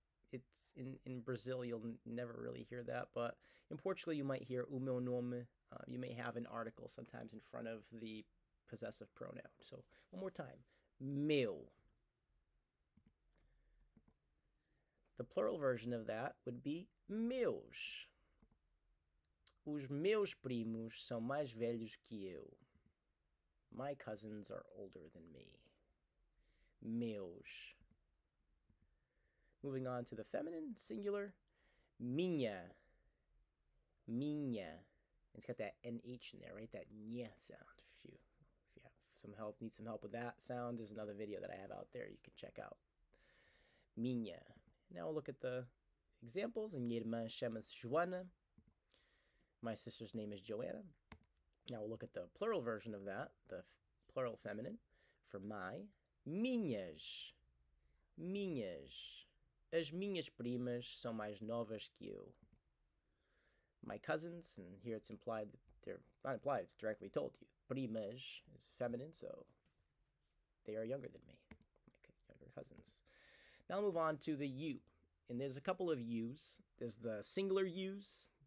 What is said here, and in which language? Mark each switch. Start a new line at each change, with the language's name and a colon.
English: It's in Brazil, you'll never really hear that, but in Portugal you might hear
Portuguese: o meu nome.
English: You may have an article sometimes in front of the possessive pronoun. So one more time. Meu. The plural version of that would be meus.
Portuguese: Os meus primos são mais velhos que eu.
English: My cousins are older than me. Meus. Moving on to the feminine singular. Minha. Minha. It's got that NH in there, right? That nya sound. If you have some help, need some help with that sound, there's another video that I have out there you can check out. Minha. Now we'll look at the examples.
Portuguese: Minha irmã chama-se Joana.
English: My sister's name is Joanna. Now we'll look at the plural version of that, the plural feminine for my.
Portuguese: Minhas. Minhas. As minhas primas são mais novas que eu.
English: My cousins, and here it's implied that they're not implied, it's directly told to you. Primas is feminine, so they are younger than me. Okay, younger cousins. Now I'll move on to the you. And there's a couple of yous. There's the singular yous.